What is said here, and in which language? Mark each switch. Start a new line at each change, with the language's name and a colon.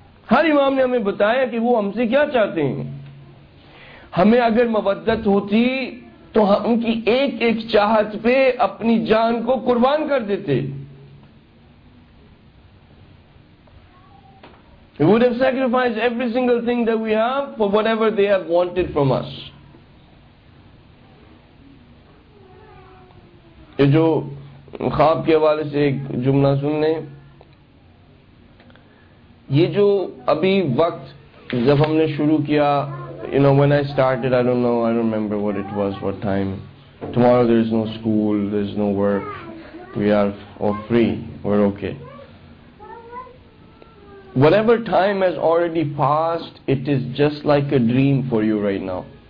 Urdu: ہر امام نے ہمیں بتایا کہ وہ ہم سے کیا چاہتے ہیں. ہمیں اگر مودت ہوتی تو ہم ان کی ایک ایک چاہت پہ اپنی جان کو قربان کر دیتے.
English: We would have sacrificed every single thing that we have for whatever they have wanted from us.
Urdu: یہ جو خواب کے حوالے سے ایک جملہ سن لیں, یہ جو ابھی وقت جب ہم نے شروع کیا,
English: you know when I started, I don't remember what it was, what time. Tomorrow there is no school, there is no work, we are all free, we're okay. Whatever time has already passed, it is just like a dream for you right now.